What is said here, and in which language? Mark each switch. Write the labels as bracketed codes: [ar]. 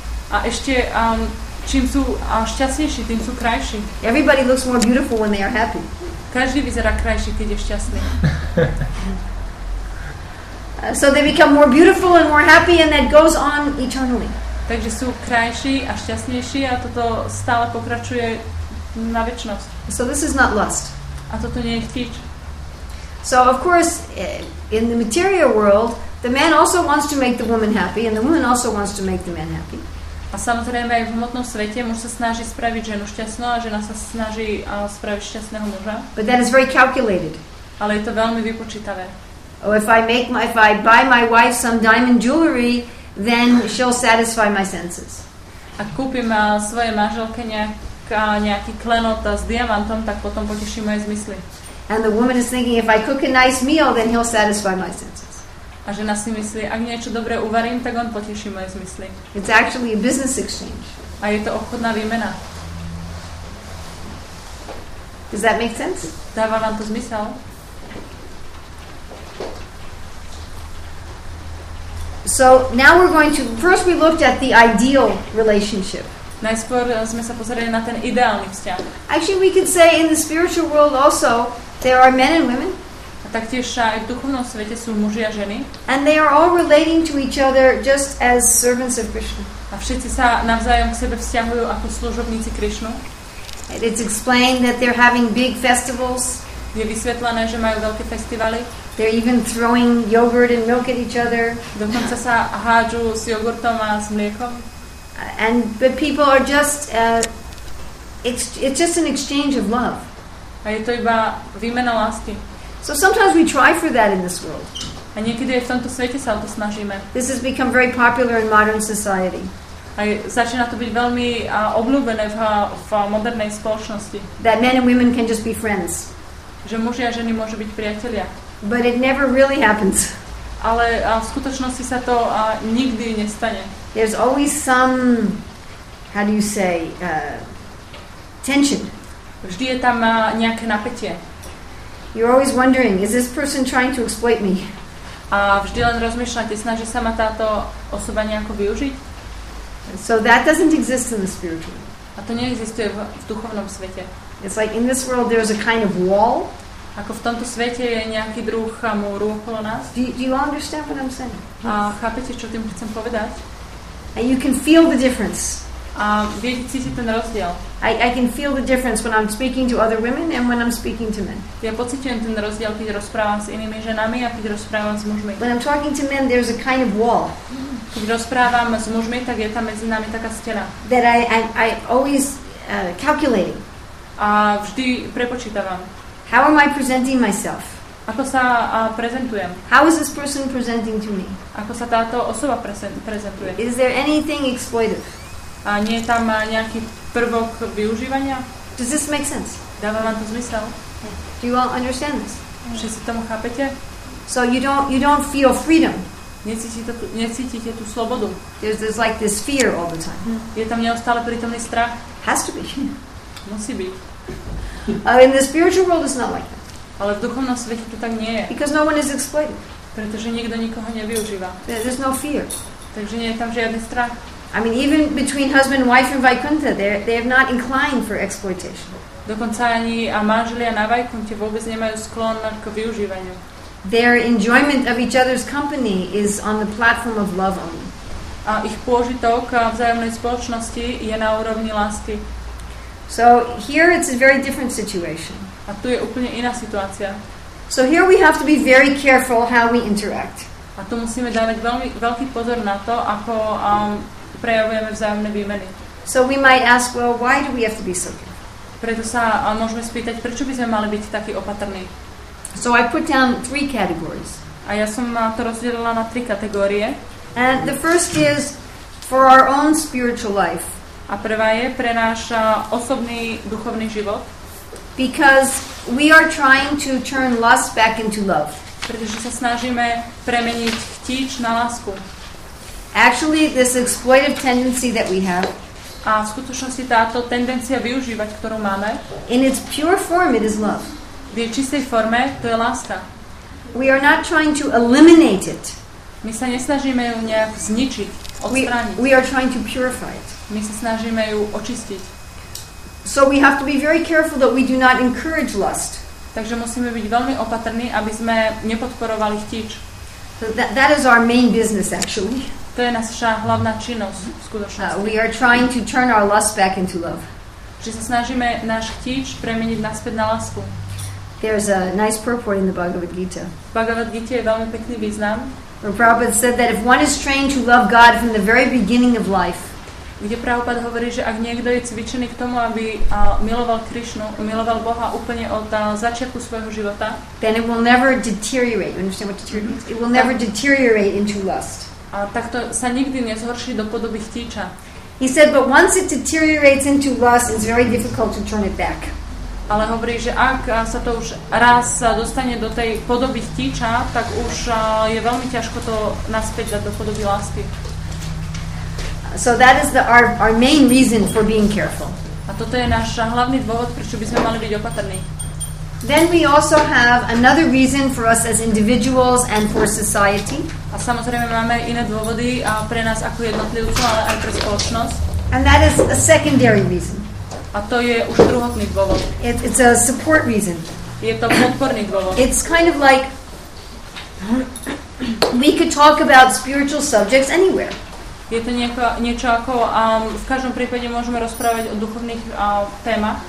[sk] A ešte čím sú šťastnejší, tým sú krajší. [en] Everybody looks more beautiful when they are happy. [sk] Každý vyzerá krajší, keď je šťastný. [en] So they become more beautiful and more happy and that goes on eternally. [sk] Takže sú krajší a šťastnejší a toto stále pokračuje na večnosť. [en] So this is not lust. [sk] A toto nie je chtíč. [en] So of course in the material world the man also wants to make the woman happy and the woman also wants to make the man happy. [sk] A samozrejme aj v hmotnom svete muž sa snaží spraviť ženu šťastnou a žena sa snaží spraviť šťastného muža. [en] But that is very calculated. [sk] Ale je to veľmi vypočítavé. [en] Oh, if I buy my wife some diamond jewelry, then she'll satisfy my senses. [sk] A kúpim svojej manželke nejaký klenot s diamantom, tak potom poteší moje zmysly. [en] And the woman is thinking, if I cook a nice meal, then he'll satisfy my senses. [sk] A žena si myslí, ak niečo dobre uvarím, tak on poteší moje zmysly. [en] It's actually a business exchange. [sk] A je to obchodná výmena. [en] Does that make sense? [sk] Dáva vám to zmysel? [en] So now we're going to first we looked at the ideal relationship. [sk] Najskôr sme sa pozerali na ten ideálny vzťah. [en] Actually, we could say in the spiritual world also there are men and women. [sk] A taktiež aj v duchovnom svete sú muži a ženy. [en] And they are all relating to each other just as servants of Krishna. [sk] A všetci sa navzájom k sebe vzťahujú ako služobníci Krishnu. [en] It's explained that they're having big festivals. [sk] Je vysvetlené, že majú veľké festivaly. [en] They're even throwing yogurt and milk at each other. [sk] Dokonca sa hádžu s jogurtom a s mliekom. [en] And the people are just it's just an exchange of love. [sk] A je to iba výmena lásky. [en] So sometimes we try for that in this world. [sk] A niekedy v tomto svete sa o to snažíme. [en] This has become very popular in modern society. [sk] A začína to byť veľmi obľúbené v modernej spoločnosti. [en] That men and women can just be friends. [sk] Že muži a ženy môžu byť priatelia. [en] But it never really happens. [sk] Ale v skutočnosti sa to nikdy nestane. [en] There's always some, how do you say, tension. [sk] Vždy je tam nejaké napätie. [en] You're always wondering, is this person trying to exploit me? [sk] A vždy len rozmýšľate, snaží sa ma táto osoba nejako využiť? [en] So that doesn't exist in the spiritual. [sk] A to neexistuje v duchovnom svete. [en] It's like in this world there's a kind of wall. [sk] Ako v tomto svete je nejaký druh múru okolo nás. [en] Do you understand what I'm saying? [sk] A chápete, čo tým chcem povedať? [en] And you can feel the difference. [sk] Viete cítiť ten rozdiel. [en] I can feel the difference when I'm speaking to other women and when I'm speaking to men. [sk] Ja pociťujem ten rozdiel, keď rozprávam s inými ženami a keď rozprávam s mužmi. [en] When I'm talking to men, there's a kind of wall. [sk] Keď rozprávam s mužmi, tak je tam medzi nami taká stena. [en] That I always calculating. [sk] A vždy prepočítavam. [en] How am I presenting myself? [sk] Ako sa prezentujem? [en] How is this person presenting to me? [sk] Ako sa táto osoba prezentuje? [en] Is there anything exploitive? [sk] A nie je tam nejaký prvok využívania? [en] Does this make sense? [sk] Dáva vám to zmysel? [en] Do you all understand this? [sk] Všetci tomu chápete? [en] So you don't feel freedom. [sk] Necítite tú slobodu. [en] There's like this fear all the time. [sk] Je tam neustále prítomný strach? [en] Has to be. [sk] Musí byť. [en] In the spiritual world it's not like that. [sk] Ale v duchovnom svete to tak nie je. [en] Because no one is exploited. [sk] Pretože nikto nikoho nevyužíva. [en] There's no fear. [sk] Takže nie je tam žiadny strach. [en] I mean, even between husband and wife in Vaikuntha, they have not inclined for exploitation. [sk] Dokonca ani manželia na Vaikunte vôbec nemajú sklon k využívaniu. [en] Their enjoyment of each other's company is on the platform of love only. [sk] A ich pôžitok vzájomnej spoločnosti je na úrovni lásky. [en] So here it's a very different situation. [sk] A tu je úplne iná situácia. [en] So here we have to be very careful how we interact. [sk] A tu musíme dávať veľmi veľký pozor na to, ako prejavujeme vzájomné výmeny. [en] So we might ask, well, why do we have to be so careful? [sk] Preto sa môžeme spýtať, prečo by sme mali byť takí opatrní. [en] So I put down three categories. [sk] A ja som to rozdelila na tri kategórie. [en] And the first is for our own spiritual life. [sk] A prvá je pre náš osobný duchovný život. [en] Because we are trying to turn lust back into love. [sk] Pretože sa snažíme premeniť chtíč na lásku. [en] Actually, this exploitive tendency that we have. [sk] A v skutočnosti táto tendencia využívať, ktorú máme. [en] In its pure form, it is love. [sk] V jej čistej forme, to je láska. [en] We are not trying to eliminate it. [sk] My sa nesnažíme ju nejak zničiť, odstrániť. [en] We are trying to purify it. [sk] My sa snažíme ju očistiť. [en] So we have to be very careful that we do not encourage lust. [sk] Takže musíme byť veľmi opatrní, aby sme nepodporovali chtíč. [en] So that is our main business actually. [sk] To je naša hlavná činnosť v skutočnosti. [en] We are trying to turn our lust back into love. [sk] Že sa snažíme náš chtíč premeniť naspäť na lásku. [en] There's a nice purport in the Bhagavad Gita. [sk] V Bhagavad Gita je veľmi pekný význam. [en] Where Prabhupada said that if one is trained to love God from the very beginning of life, [sk] kde Prabhupada hovorí, že ak niekto je cvičený k tomu, aby miloval Krišnu, miloval Boha úplne od začiatku svojho života, [en] then it will never deteriorate. You understand what deteriorate means? It will never deteriorate into lust. [sk] A takto sa nikdy nezhorší do podoby chtíča. [en] He said, but once it deteriorates into lust, it's very difficult to turn it back. [sk] Ale hovorí, že ak sa to už raz dostane do tej podoby chtíča, tak už je veľmi ťažko to naspäť dať do podoby lásky. [en] So that is our main reason for being careful. [sk] A toto je náš hlavný dôvod, prečo by sme mali byť opatrní. [en] Then we also have another reason for us as individuals and for society. [sk] A samozrejme máme iné dôvody pre nás ako jednotlivcov, ale aj pre spoločnosť. [en] And that is a secondary reason. [sk] A to je už druhotný dôvod. [en] It's a support reason. [sk] Je to podporný dôvod. [en] It's kind of like we could talk about spiritual subjects anywhere. [sk] Je to niečo ako v každom prípade môžeme rozprávať o duchovných témach.